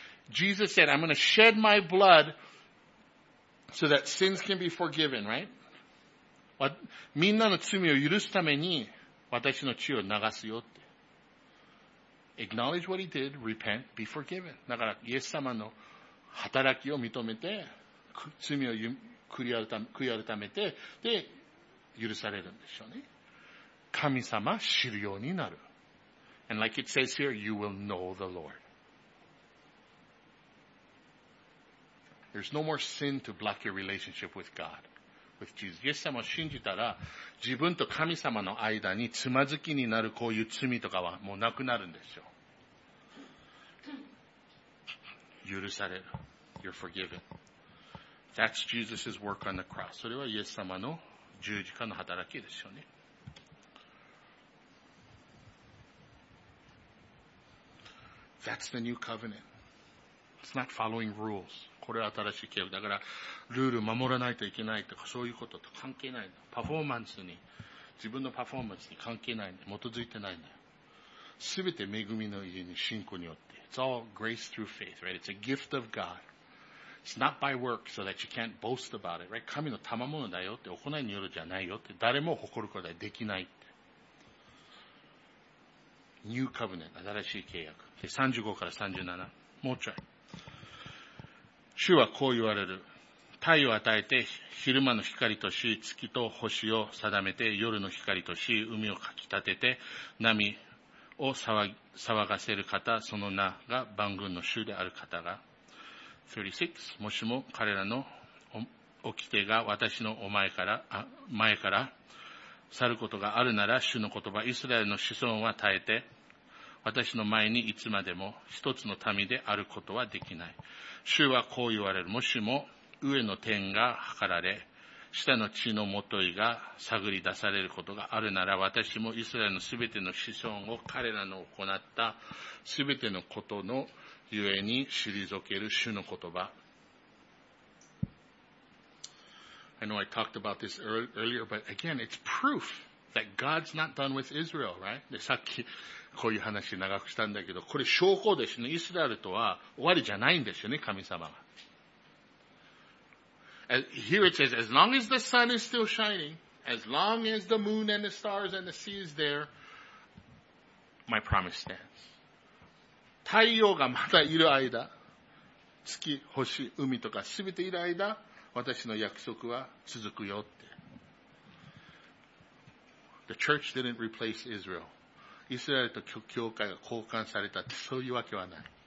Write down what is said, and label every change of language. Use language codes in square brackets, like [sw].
[en] Jesus said, I'm going to shed my blood so that sins can be forgiven, right? [ja] みんなの罪を許すために私の血を流すよって。 [en] Acknowledge what he did, repent, be forgiven. [ja] だから、イエス様の働きを認めて、罪を悔い改めて、で、許されるんでしょうね。神様知るようになる。 [en] And like it says here, you will know the Lord. There's no more sin to block your relationship with God. [ja] イエス様を信じたら自分と神様の間につまずきになるこういう罪とかはもうなくなるんですよ。許される。 [en] You're forgiven. That's Jesus' work on the cross. [ja] それはイエス様の十字架の働きですよね。 [en] That's the new covenant. It's not following rules. [ja] これは新しい契約だから、ルール守らないといけないとか、そういうことと関係ないの。パフォーマンスに、自分のパフォーマンスに関係ないの。基づいてないの。すべて恵みの家に、信仰によって。 [en] It's all grace through faith, right? It's a gift of God. It's not by work so that you can't boast about it, right? [ja] 神の賜物だよって、行いによるじゃないよって、誰も誇ることはできないって。 [en] New covenant, [ja] 新しい契約。で、35から37。もうちょい。主はこう言われる。太陽を与えて昼間の光とし、月と星を定めて夜の光とし、海をかき立てて波を騒がせる方、その名が万軍の主である方が。 36. もしも彼らの掟が私の前から去ることがあるなら、主の言葉、イスラエルの子孫は耐えて、私の前にいつまでも一つの民であることはできない。主はこう言われる。もしも上の天が計られ、下の地のもといが探り出されることがあるなら、私もイスラエルのすべての子孫を彼らの行ったすべてのことのゆえに退ける主の言葉。 [en] I know I talked about this earlier, but again, it's proof that God's not done with Israel, right? [ja] で、さっき、こういう話長くしたんだけど、これ証拠ですね。イスラエルとは終わりじゃないんですよね、神様が。 [en] Here it says, as long as the sun is still shining, as long as the moon and the stars and the sea is there, my promise stands. [ja] 太陽がまだいる間、月、星、海とかすべている間、私の約束は続くよって。 [en] The church didn't replace Israel. [ja] イスラエルと教会が交換されたってそういうわけはない。